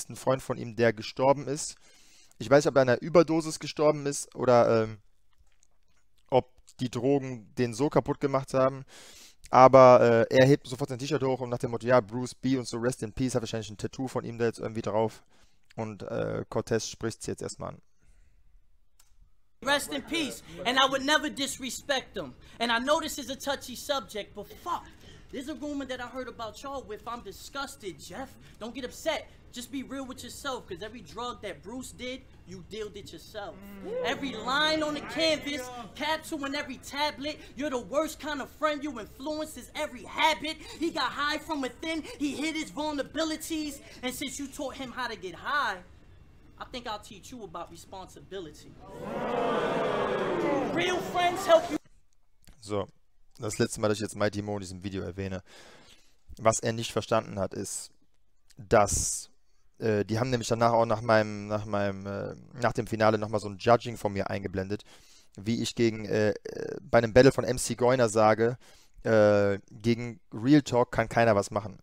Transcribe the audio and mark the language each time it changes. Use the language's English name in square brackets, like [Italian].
[German] ist ein Freund von ihm, der gestorben ist. Ich weiß nicht, ob er an einer Überdosis gestorben ist oder ob die Drogen den so kaputt gemacht haben. Aber er hebt sofort sein T-Shirt hoch und nach dem Motto, ja, Bruce B. und so, [English] rest in peace, [German] hat wahrscheinlich ein Tattoo von ihm da jetzt irgendwie drauf. Und Cortez spricht es jetzt erstmal an. [English] Rest in peace, and I would never disrespect them. And I know this is a touchy subject, but fuck, there's a rumor that I heard about y'all with. I'm disgusted, Jeff. Don't get upset, just be real with yourself, because every drug that Bruce did, you dealed it yourself. Ooh. Every line on the canvas, capsule in every tablet, you're the worst kind of friend, you influence his every habit. He got high from within, he hid his vulnerabilities, and since you taught him how to get high, I think I'll teach you about responsibility. Ooh. Real friends help you. [German] So, das letzte Mal, dass ich jetzt Mighty Mo in diesem Video erwähne, was er nicht verstanden hat, ist, dass die haben nämlich danach auch nach dem Finale nochmal so ein Judging von mir eingeblendet, wie ich gegen bei einem Battle von MC Goyner sage, gegen Real Talk kann keiner was machen.